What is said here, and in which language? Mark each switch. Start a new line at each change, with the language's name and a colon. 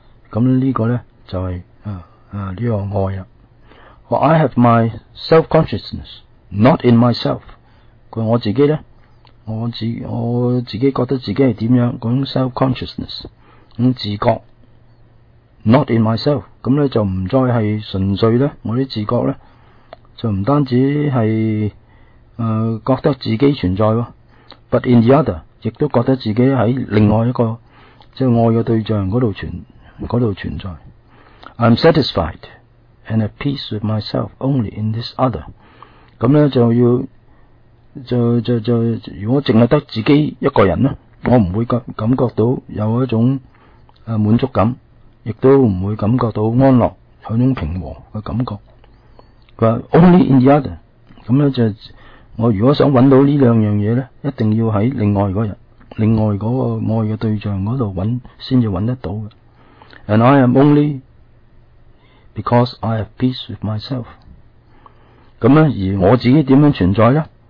Cantonese: 咁呢个咧就系呢个爱啦。
English: Well, I have my self-consciousness, not in myself。
Cantonese: 佢我自己咧，我自己觉得自己系点样？讲 self-consciousness， 咁自觉 ，
English: not in myself。
Cantonese: 咁咧就唔再系纯粹咧，我啲自觉咧就唔单止系觉得自己存在喎 ，
English: but in the other，
Cantonese: 亦都觉得自己喺另外一个。即系爱嘅对象嗰度存在。
English: I'm satisfied and at peace with myself only in this other。
Cantonese: 咁咧就要就如果净系得自己一个人咧，我唔会感觉到有一种满足感，亦都唔会感觉到安乐，有种平和嘅感觉。佢话
English: only in the other。
Cantonese: 咁咧就我如果想揾到呢两样嘢咧，一定要喺另外嗰个爱嘅对象嗰度揾，先至揾得到嘅。
English: And I am only because I have peace with myself。
Cantonese: 咁咧，而我自己点样存在咧？